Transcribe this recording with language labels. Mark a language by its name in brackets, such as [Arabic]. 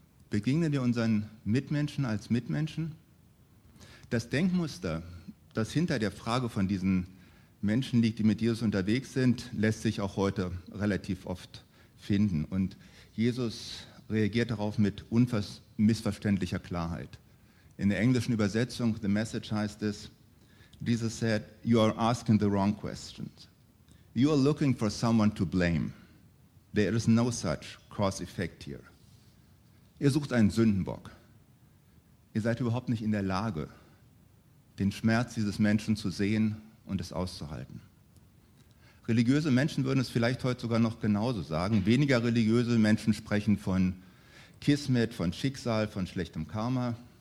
[German] Begegnen wir unseren Mitmenschen als Mitmenschen? Das Denkmuster, das hinter der Frage von diesen Menschen liegt, die mit Jesus unterwegs sind, lässt sich auch heute relativ oft finden. Und Jesus reagiert darauf mit missverständlicher Klarheit. In der englischen Übersetzung, [English] The Message [German] heißt es, [English] Jesus said, you are asking the wrong questions. You are looking for someone to blame. There is no such cross-effect here. [German] Ihr sucht einen Sündenbock. Ihr seid überhaupt nicht in der Lage, den Schmerz dieses Menschen zu sehen und es auszuhalten. Religiöse Menschen würden es vielleicht heute sogar noch genauso sagen. Weniger religiöse Menschen sprechen von Kismet, von Schicksal, von schlechtem Karma.